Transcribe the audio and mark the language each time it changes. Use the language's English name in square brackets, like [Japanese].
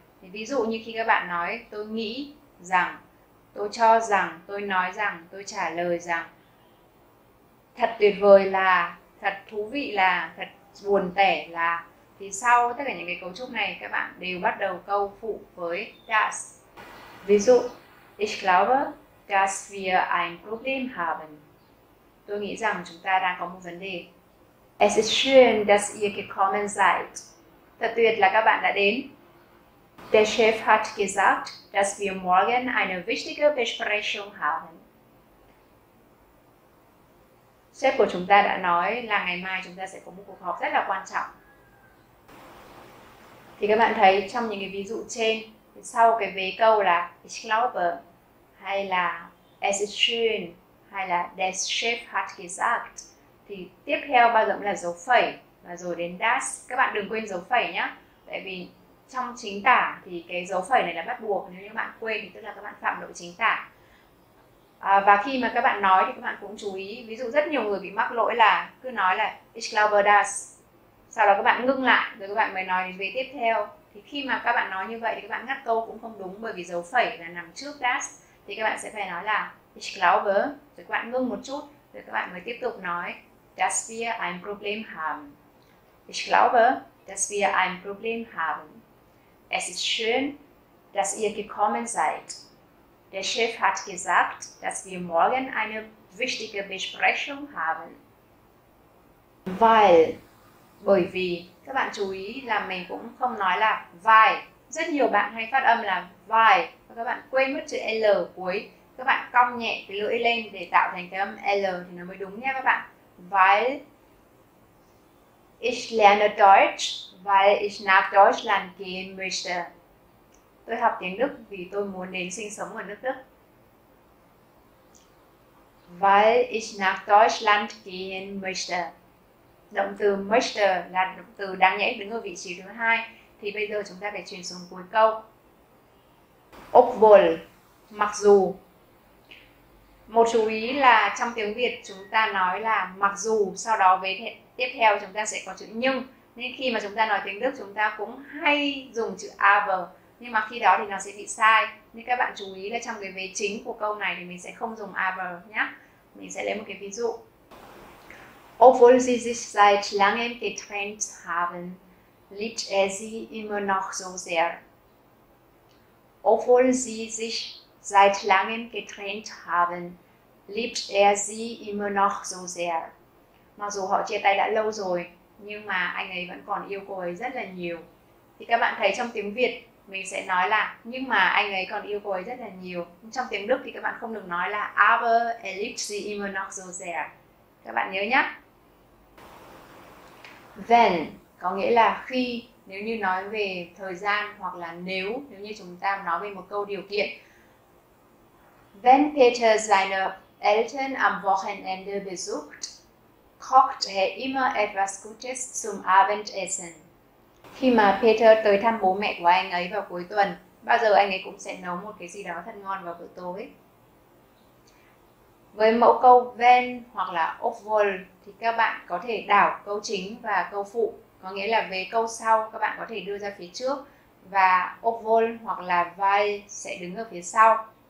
[Vietnamese] Thì ví dụ như khi các bạn nói tôi nghĩ rằng, tôi cho rằng, tôi nói rằng, tôi trả lời rằng. Thật tuyệt vời là, thật thú vị là, thật buồn tẻ là. Thì sau tất cả những cái cấu trúc này các bạn đều bắt đầu câu phụ với das. Ví dụ, [German] ich glaube, dass wir ein Problem haben. [Vietnamese] Tôi nghĩ rằng chúng ta đang có một vấn đề. [German] Es ist schön, dass ihr gekommen seid. [Vietnamese] Thật tuyệt là các bạn đã đến. [German] Der Chef hat gesagt, dass wir morgen eine wichtige Besprechung haben. [Vietnamese] Sếp của chúng ta đã nói là ngày mai chúng ta sẽ có một cuộc họp rất là quan trọng. Thì các bạn thấy trong những cái ví dụ trên, sau cái vế câu là [German] ich glaube, [Vietnamese] hay là [German] es ist schön, [Vietnamese] hay là [German] der Chef hat gesagt, [Vietnamese] thì tiếp theo bao giờ cũng là dấu phẩy và rồi đến das. Các bạn đừng quên dấu phẩy nhé, tại vì trong chính tả thì cái dấu phẩy này là bắt buộc. Nếu như bạn quên thì tức là các bạn phạm lỗi chính tả. Và khi mà các bạn nói thì các bạn cũng chú ý, ví dụ rất nhiều người bị mắc lỗi là cứ nói là each cloud does, sau đó các bạn ngưng lại rồi các bạn mới nói đến vế tiếp theo. Thì khi mà các bạn nói như vậy thì các bạn ngắt câu cũng không đúng, bởi vì dấu phẩy là nằm trước does, thì các bạn sẽ phải nói là each cloud, rồi các bạn ngưng một chút rồi các bạn mới tiếp tục nói [German] does wir ein Problem haben. Ich glaube, dass wir ein Problem haben. Es ist schön, dass ihr gekommen seid. Der Chef hat gesagt, dass wir morgen eine wichtige Besprechung haben. [Vietnamese] Weil, bởi vì, các bạn chú ý là mình cũng không nói là weil. Rất nhiều bạn hay phát âm là weil, và các bạn quên mất chữ L cuối. Các bạn cong nhẹ cái lưỡi lên để tạo thành cái âm L thì nó mới đúng nha các bạn. [German] Weil ich lerne Deutsch, weil ich nach Deutschland gehen möchte. [Vietnamese] Tôi học tiếng Đức vì tôi muốn đến sinh sống ở nước Đức. [German] Weil ich nach Deutschland gehen möchte. [Vietnamese] Động từ möchte là động từ đáng nhẽ đứng ở vị trí thứ hai. Thì bây giờ chúng ta phải chuyển xuống cuối câu. Obwohl, mặc dù. Một chú ý là trong tiếng Việt chúng ta nói là mặc dù, sau đó vế tiếp theo chúng ta sẽ có chữ nhưng. Nên khi mà chúng ta nói tiếng Đức chúng ta cũng hay dùng chữ aber. Nhưng mà khi đó thì nó sẽ bị sai. Nên các bạn chú ý là trong cái vế chính của câu này thì mình sẽ không dùng aber nhé. Mình sẽ lấy một cái ví dụ. [German] Obwohl sie sich seit langem getrennt haben, liebt er sie immer noch so sehr. Obwohl sie sich seit langem getrennt haben, liebt er sie immer noch so sehr. [Vietnamese] Mặc dù họ chia tay đã lâu rồi, nhưng mà anh ấy vẫn còn yêu cô ấy rất là nhiều. Thì các bạn thấy trong tiếng Việt mình sẽ nói là nhưng mà anh ấy còn yêu cô ấy rất là nhiều. Trong tiếng Đức thì các bạn không được nói là [German] aber er liebt sie immer noch so sehr. [Vietnamese] Các bạn nhớ nhé. [German] Wenn [Vietnamese] có nghĩa là khi, nếu như nói về thời gian, hoặc là nếu như chúng ta nói về một câu điều kiện. Wenn Peter seine Eltern am Wochenende besucht, kocht er immer etwas Gutes zum Abendessen. Khi mà Peter tới thăm bố mẹ của anh ấy vào cuối tuần, bao giờ anh ấy cũng sẽ nấu một cái gì đó thật ngon vào bữa tối. Với mẫu câu wenn hoặc là obwohl thì các bạn có thể đảo câu chính và câu phụ, có nghĩa là về câu sau các bạn có thể đưa ra phía trước và obwohl hoặc là weil sẽ đứng ở phía sau.